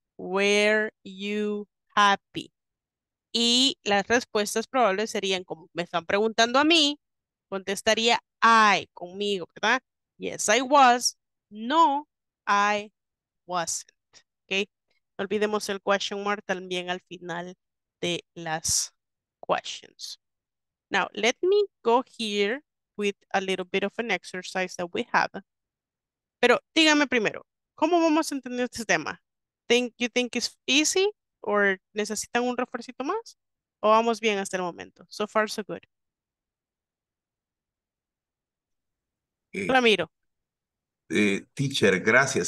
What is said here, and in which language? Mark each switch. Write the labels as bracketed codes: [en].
[en] Were you happy? [es] Y las respuestas probables serían, como me están preguntando a mí, contestaría I conmigo, ¿verdad? [en] Yes, I was. No, I wasn't. ¿Okay? [es] No olvidemos el question mark también al final de las questions. [en] Now, let me go here with a little bit of an exercise that we have. [es] Pero dígame primero, ¿cómo vamos a entender este tema? [en] You think it's easy or [es] necesitan un refuercito más? ¿O vamos bien hasta el momento? [en] So far, so good. [es] Ramiro. Teacher, gracias.